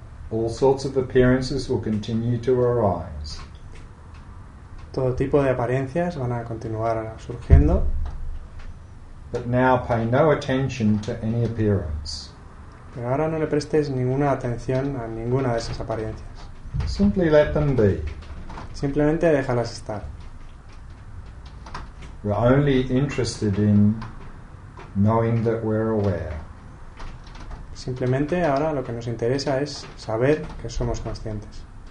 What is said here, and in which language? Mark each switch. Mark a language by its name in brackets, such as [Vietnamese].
[English] All sorts of appearances will continue to arise. [Spanish] Todo tipo de apariencias van a continuar surgiendo. [English] But now pay no attention to any appearance. [Spanish] Pero ahora no le prestes ninguna atención a ninguna de esas apariencias. [English] Simply let them be. [Spanish] Simplemente déjalas estar. [English] We're only interested in knowing that we're aware. [Spanish] Simplemente ahora lo que nos interesa es saber que somos conscientes.